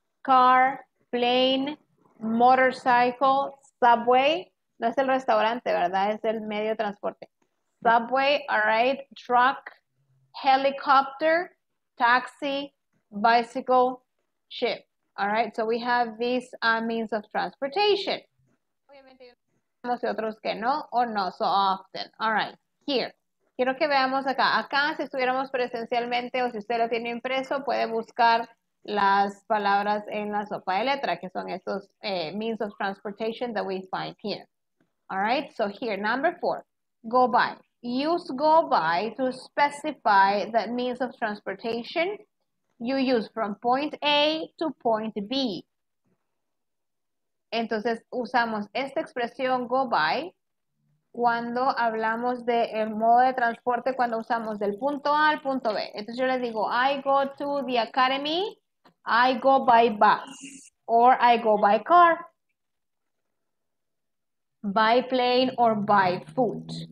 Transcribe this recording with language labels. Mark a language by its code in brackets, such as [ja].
[en] Car, plane, motorcycle, subway. [es] No es el restaurante, ¿verdad? Es el medio de transporte. Subway, all right. [en] Truck, helicopter, taxi, bicycle, ship. All right, so we have these means of transportation. [es] Obviamente, unos y otros que no, o no so often. All right, here. Quiero que veamos acá. Acá, si estuviéramos presencialmente o si usted lo tiene impreso, puede buscar las palabras en la sopa de letra, que son estos means of transportation that we find here. [en] All right, so here, number four, go by. Use go by to specify that means of transportation you use from point A to point B. [es] Entonces, usamos esta expresión go by cuando hablamos de el modo de transporte, cuando usamos del punto A al punto B. [en] Entonces, yo le digo, I go to the academy, I go by bus, or I go by car, by plane, or by foot.